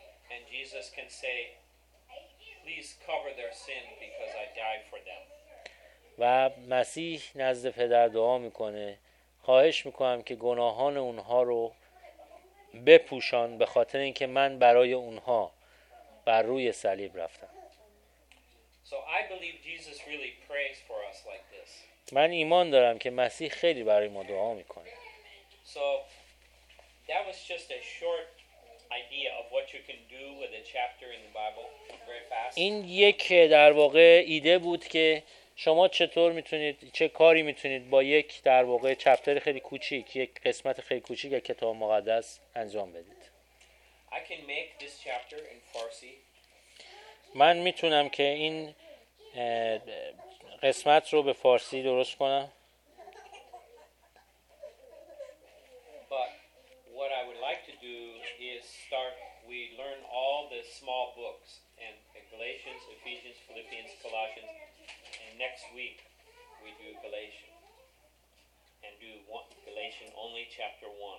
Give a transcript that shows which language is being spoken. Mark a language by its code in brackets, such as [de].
[en] And Jesus can say, please cover their sin because I died for them. [fa] و مسیح نزد پدر دعا میکنه. خواهش میکنم که گناهان اونها رو بپوشان به خاطر اینکه من برای اونها بر روی صلیب رفتم. [en] So I believe Jesus really prays for us like this. [fa] من ایمان دارم که مسیح خیلی برای ما دعا میکنه. [en] So that was just a short idea of what you can do with a chapter in the Bible very fast. [fa] این یک در واقع ایده بود که شما چطور میتونید چه کاری میتونید با یک در واقع چپتر خیلی کوچیک، یک قسمت خیلی کوچیک از کتاب مقدس انجام بدید. [en] I can make this chapter in Farsi. [fa] من میتونم که این قسمت رو به فارسی درست کنم. [en] But what I would like to do is start, we learn all the small books and Galatians, Ephesians, Philippians, Colossians, and next week we do Galatians and do Galatians only chapter 1.